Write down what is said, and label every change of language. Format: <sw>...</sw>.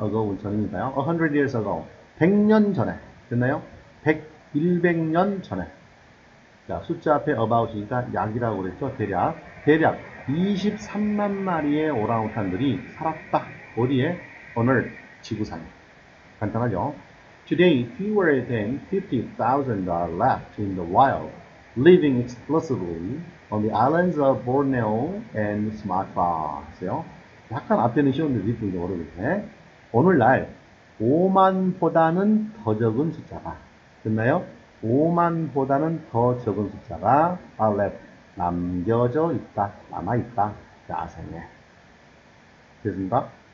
<ko>ago 전이니까요.</ko> <en>100 years ago.</en> <ko>100년 전에. 됐나요? 100년 전에. 자, 숫자 앞에 about이니까 약이라고 그랬죠? 대략. 대략. 23만 마리의 오랑우탄들이 살았다. 어디에?</ko> <en>on earth.</en> <ko>지구상에. 간단하죠?</ko> <en>today, fewer than 50,000 are left in the wild, living exclusively on the islands of Borneo and Sumatra.</en> <ko>약간 앞에는 쉬운데, 뒤쁜 게 모르겠네. 오늘날, 5만보다는 더 적은 숫자가, 됐나요? 5만보다는 더 적은 숫자가</ko> <en>are left,</en> <ko>남겨져 있다, 남아있다, 야생에. 됐습니다.</ko>